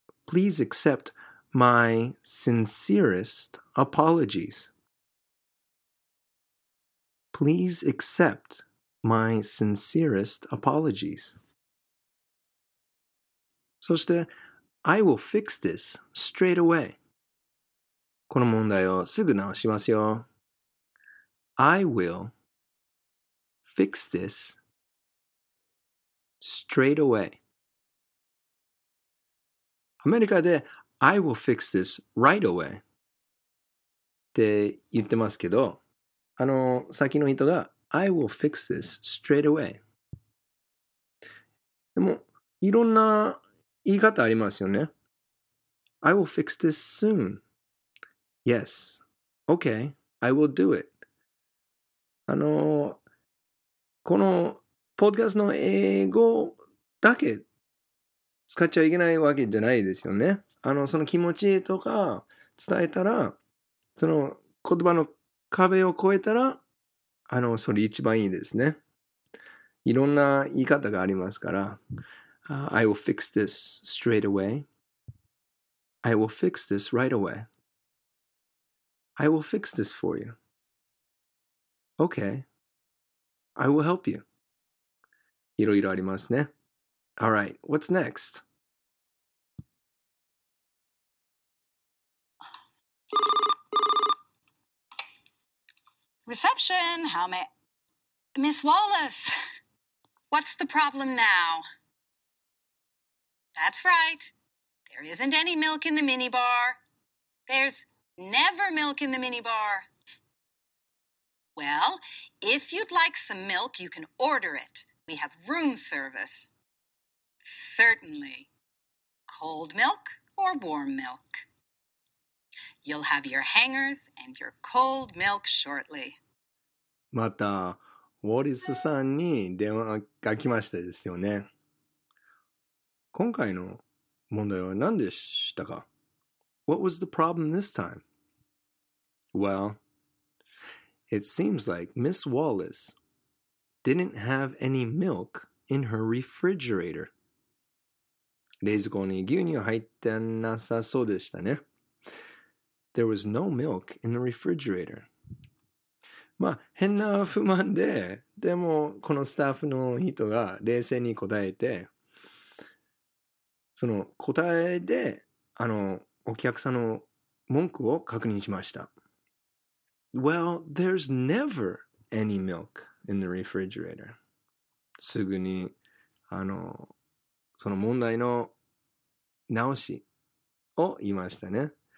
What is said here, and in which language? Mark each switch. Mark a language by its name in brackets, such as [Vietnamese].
[English] Please accept my sincerest apologies. Please accept my sincerest apologies. [Japanese] そして、 [English] I will fix this straight away. [Japanese] この問題をすぐ直しますよ。 [English] I will fix this straight away. [Japanese] アメリカで [English] I will fix this right away [Japanese] って言ってますけど、あの先の人が [English] I will fix this straight away。 [Japanese] でもいろんな言い方ありますよね。 [English] I will fix this soon。 Yes. Okay. I will do it。 [Japanese] あのこのポッドキャストの英語だけ使っちゃいけないわけじゃないですよね。あのその気持ちとか伝えたら、その言葉の壁を越えたら、あのそれ一番いいですね。いろんな言い方がありますから、 [English] I will fix this straight away. I will fix this right away. I will fix this for you. Okay. I will help you. [Japanese] いろいろありますね。 [English] All right, what's next? Reception, how may... Miss Wallace, what's the problem now? That's right. There isn't any milk in the minibar. There's never milk in the minibar. Well, if you'd like some milk, you can order it. We have room service. Certainly. Cold milk or warm milk? You'll have your hangers and your cold milk shortly. [Japanese] また、ウォリスさんに電話が来ましたですよね。今回の問題は何でしたか? [English] What was the problem this time? Well, it seems like Miss Wallace didn't have any milk in her refrigerator. [Japanese] 冷蔵庫に牛乳入ってなさそうでしたね。 [English] There was no milk in the refrigerator. [Japanese] まあ、変な不満で、でもこのスタッフの人が冷静に答えて、その答えで、あの、お客さんの文句を確認しました。 [English] Well, there's never any milk in the refrigerator. [Japanese] すぐに、あの、その問題の直しを言いましたね。